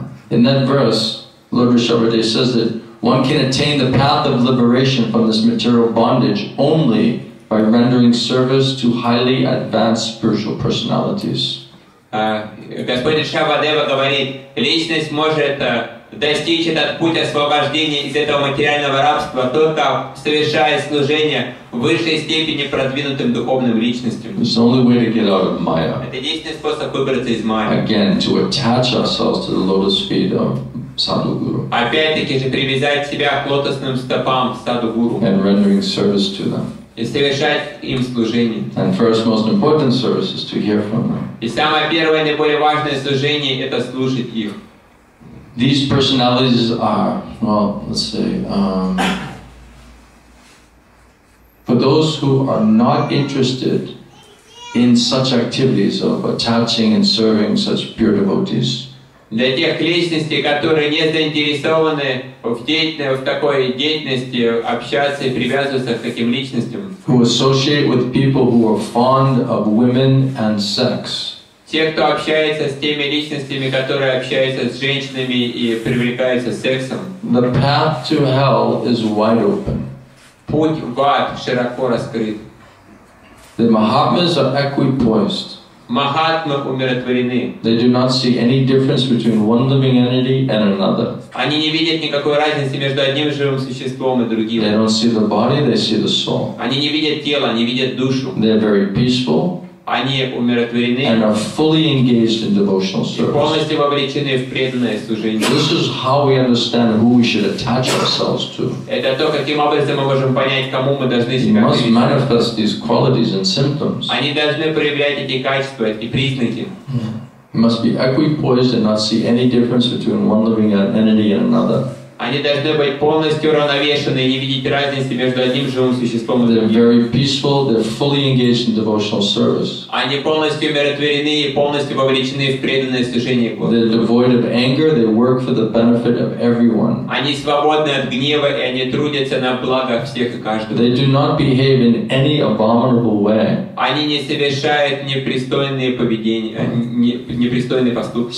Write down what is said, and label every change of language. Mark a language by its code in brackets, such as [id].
[en] In that verse, Lord Rishabhadev says that one can attain the path of liberation from this material bondage only by rendering service to highly advanced spiritual personalities. [ru] Господь Шавадева говорит, личность может достичь этот путь освобождения из этого материального рабства только совершая служение в высшей степени продвинутым духовным личностям. [en] It's the only way to get out of Maya. [ru] Это единственный способ выбраться из Майи. [en] Again, to attach ourselves to the lotus feet of [ru] Опять-таки же привязать себя к лотосным стопам саду гуру. [en] And rendering service to them. [ru] И совершать им служение. [en] And first most important service is to hear from them. [ru] И самое первое, наиболее важное служение — это слушать их. [en] These personalities are, well, let's say, for those who are not interested in such activities of attaching and serving such pure devotees. [ru] Для тех личностей, которые не заинтересованы в такой деятельности, общаться и привязываться к таким личностям. [en] Who associate with people who are fond of women and sex. [ru] Те, кто общается с теми личностями, которые общаются с женщинами и привлекаются сексом. [en] The path to hell is wide open. [ru] Путь в ад широко раскрыт. [en] The Mahatmas are equipoised. [ru] Махатмы умиротворены. [en] They do not see any difference between one living entity and another. [ru] Они не видят никакой разницы между одним живым существом и другим. [en] They don't see the body, they see the soul. [ru] Они не видят тело, они видят душу. [en] They are very peaceful. [ru] Они умиротворены. [en] And are fully engaged in devotional service. [ru] И полностью вовлечены в преданное служение. [en] This is how we understand who we should attach ourselves to. [ru] Это то, каким образом мы можем понять, кому мы должны себя привязать. [en] We must manifest these qualities and symptoms. [ru] Они должны проявлять эти качества, эти признаки. [en] We must be equipoised and not see any difference between one living entity and another. [ru] Они должны быть полностью уравновешены и не видеть разницы между одним живым существом и другим. [en] They're very peaceful, they're fully engaged in devotional service. [ru] Они полностью умиротворены и полностью вовлечены в преданное служение Богу. [en] They're devoid of anger, they work for the benefit of everyone. [ru] Они свободны от гнева и они трудятся на благо всех и каждого. [en] They do not behave in any abominable way. [ru] Они не совершают непристойные поступки.